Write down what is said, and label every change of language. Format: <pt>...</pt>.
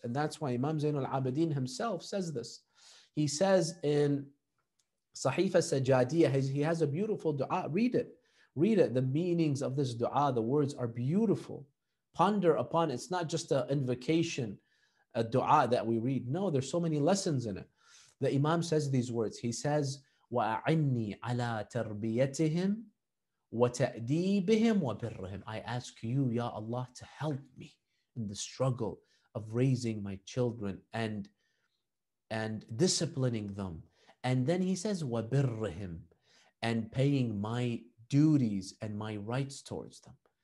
<en>And that's why Imam Zain al-Abidin himself says this. He says in Sahifa Sajadiyah, he has a beautiful dua. Read it. Read it. The meanings of this dua, the words are beautiful. Ponder upon it. It's not just an invocation, a dua that we read. No, there's so many lessons in it. The Imam says these words. He says,</en> <ar>وَأَعِنِّي عَلَىٰ تَرْبِيَتِهِمْ وَتَأْدِيبِهِمْ وَبِرِّهِمْ.</ar> <en>I ask you, Ya Allah, to help me in the struggle of raising my children and disciplining them. And then he says, وَبِرِّهِمْ, and paying my duties and my rights towards them.</en>